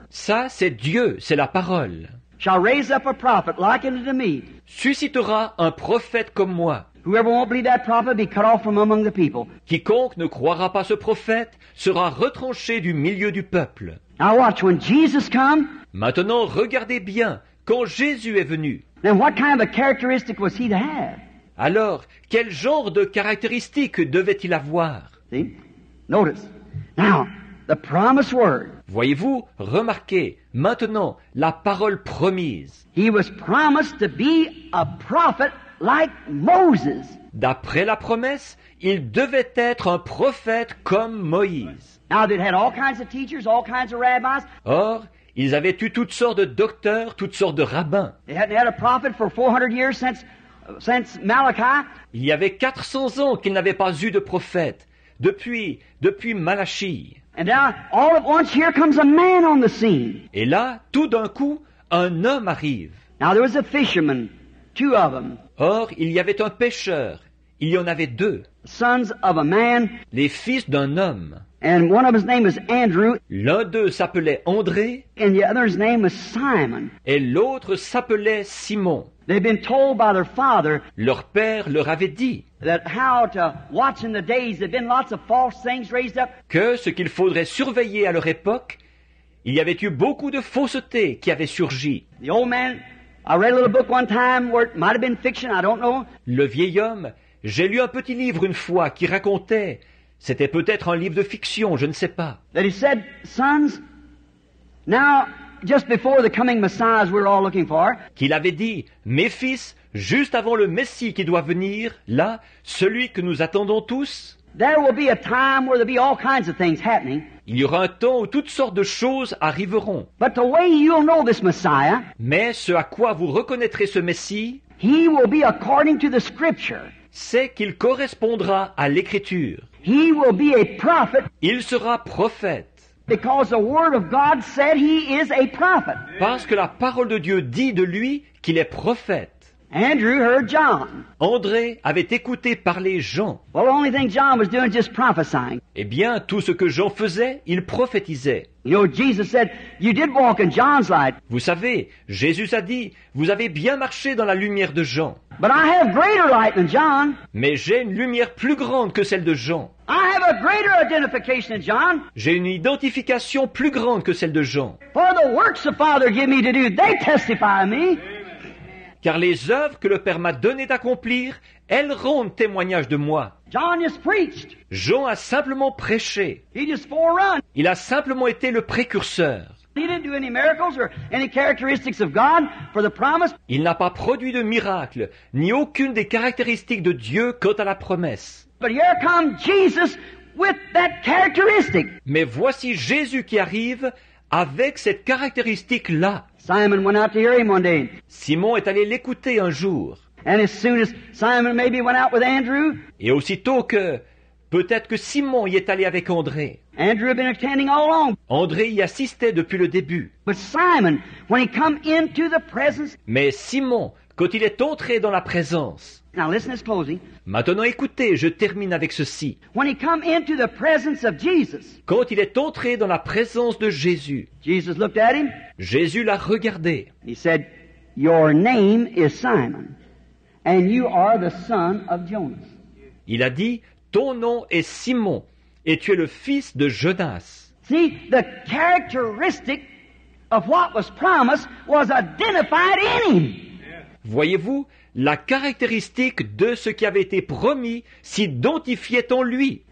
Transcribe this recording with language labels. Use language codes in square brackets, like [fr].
[fr] Ça, c'est Dieu, c'est la parole. [en] Shall raise up a prophet like unto me. [fr] Suscitera un prophète comme moi. [en] Whoever won't believe that prophet be cut off from among the people. [fr] Quiconque ne croira pas ce prophète sera retranché du milieu du peuple. [en] Now watch when Jesus come. [fr] Maintenant regardez bien quand Jésus est venu. [en] Then what kind of a characteristic was he to have? [fr] Alors quel genre de caractéristique devait-il avoir? [en] See? Notice now the promised word. [fr] Voyez-vous, remarquez maintenant la parole promise. [en] He was promised to be a prophet like Moses. [fr] D'après la promesse, il devait être un prophète comme Moïse. [en] Now they had all kinds of teachers, all kinds of rabbis. [fr] Or, ils avaient eu toutes sortes de docteurs, toutes sortes de rabbins. [en] They hadn't had a prophet for 400 years since Malachi. [fr] Il y avait 400 ans qu'ils n'avaient pas eu de prophète depuis Malachie. [en] And now, all at once, here comes a man on the scene. [fr] Et là, tout d'un coup, un homme arrive. [en] Now there was a fisherman, two of them. [fr] Or, il y avait un pêcheur. Il y en avait deux. [en] Sons of a man. [fr] Les fils d'un homme. [en] And one of his name was Andrew. [fr] L'un d'eux s'appelait André. [en] And the other's name was Simon. [fr] Et l'autre s'appelait Simon. [en] They've been told by their father. [fr] Leur père leur avait dit. [en] That how to watch in the days. There've been lots of false things raised up. [fr] Que ce qu'il faudrait surveiller à leur époque, il y avait eu beaucoup de faussetés qui avaient surgi. [en] The old man. I read a little book one time where it might have been fiction, I don't know. [fr] Le vieil homme, j'ai lu un petit livre une fois qui racontait, c'était peut-être un livre de fiction, je ne sais pas. [en] That he said, sons, now, just before the coming Messiah we're all looking for. [fr] Qu'il avait dit, mes fils, juste avant le Messie qui doit venir, là, celui que nous attendons tous. [en] There will be a time where there'll be all kinds of things happening. [fr] Il y aura un temps où toutes sortes de choses arriveront. [en] But the way you'll know this Messiah, [fr] mais ce à quoi vous reconnaîtrez ce Messie, [en] he will be according to the scripture. [fr] C'est qu'il correspondra à l'Écriture. [en] He will be a prophet. [fr] Il sera prophète. [en] Because the word of God said he is a prophet. [fr] Parce que la parole de Dieu dit de lui qu'il est prophète. [en] Andrew heard John. [fr] André avait écouté parler Jean. [en] Well, the only thing John was doing just prophesying. [fr] Eh bien, tout ce que Jean faisait, il prophétisait. [en] You know, Jesus said, you did walk in John's light. [fr] Vous savez, Jésus a dit, vous avez bien marché dans la lumière de Jean. [en] But I have greater light than John. [fr] Mais j'ai une lumière plus grande que celle de Jean. [en] I have a greater identification than John. [fr] J'ai une identification plus grande que celle de Jean. [en] For the works the Father gave me to do, they testify of me. [fr] Car les œuvres que le Père m'a donné d'accomplir, elles rendent témoignage de moi. [en] John has preached. [fr] Jean a simplement prêché. [en] He just forerun. [fr] Il a simplement été le précurseur. [en] He didn't do any miracles or any characteristics of God for the promise. [fr] Il n'a pas produit de miracles, ni aucune des caractéristiques de Dieu quant à la promesse. [en] But here comes Jesus with that characteristic. [fr] Mais voici Jésus qui arrive avec cette caractéristique-là. [en] Simon went out to hear him one day. [fr] Simon est allé l'écouter un jour. [en] And as soon as Simon maybe went out with Andrew. [fr] Et aussitôt que peut-être que Simon y est allé avec André. [en] Andrew had been attending all along. [fr] André y assistait depuis le début. [en] But Simon, when he come into the presence. [fr] Mais Simon, quand il est entré dans la présence. [en] Now listen to this closing. [fr] Maintenant écoutez, je termine avec ceci. [en] When he come into the presence of Jesus. [fr] Quand il est entré dans la présence de Jésus. [en] Jesus looked at him. [fr] Jésus l'a regardé. [en] He said, "Your name is Simon, and you are the son of Jonas." [fr] Il a dit, "Ton nom est Simon, et tu es le fils de Jonas." [en] See, the characteristic of what was promised was identified in him. [fr] Voyez-vous, la caractéristique de ce qui avait été promis s'identifiait en lui.